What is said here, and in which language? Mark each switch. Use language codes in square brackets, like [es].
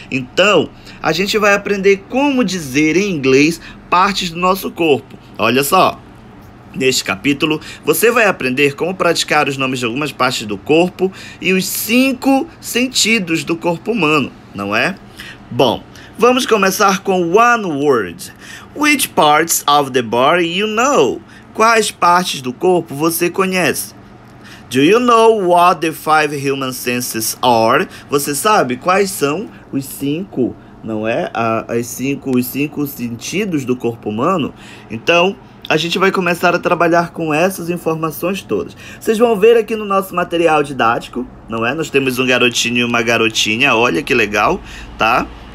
[pt] Então, a gente vai aprender como dizer em inglês partes do nosso corpo. Olha só. Neste capítulo, você vai aprender como praticar os nomes de algumas partes do corpo e os 5 sentidos do corpo humano, não é? Bom, vamos começar com [en] one word. Which parts of the body you know? [pt] Quais partes do corpo você conhece? [en] Do you know what the 5 human senses are? [pt] Você sabe quais são os 5, não é? Os cinco sentidos do corpo humano? Então, a gente vai começar a trabalhar com essas informações todas. Vocês vão ver aqui no nosso material didático, não é? Nós temos um garotinho e uma garotinha, olha que legal, tá?